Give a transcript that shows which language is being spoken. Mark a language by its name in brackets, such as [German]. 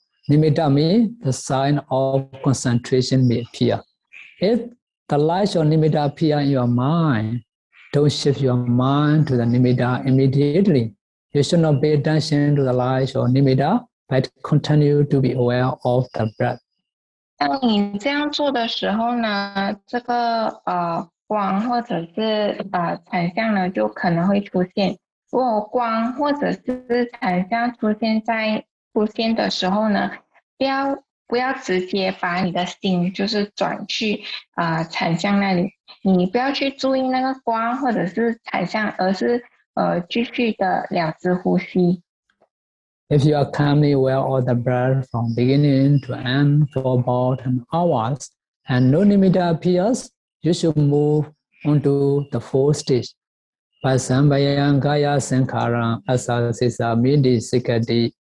[English] Nimitta means the sign of concentration may appear. If the light or nimitta appear in your mind, don't shift your mind to the nimitta immediately. You should not pay attention to the light or nimitta, but continue to be aware of the breath. [Chinese] 当你这样做的时候呢，这个光或者是产像呢，就可能会出现。如果光或者是产像出现的时候呢，不要直接把你的心就是转去产像那里，你不要去注意那个光或者是产像，而是继续的了知呼吸。 [English] If you are calmly aware of the breath from beginning to end for about an hour and no nimitta appears, you should move on to the fourth stage. [Pali] Pasambayam kaya sankharam asasisa midi sikati.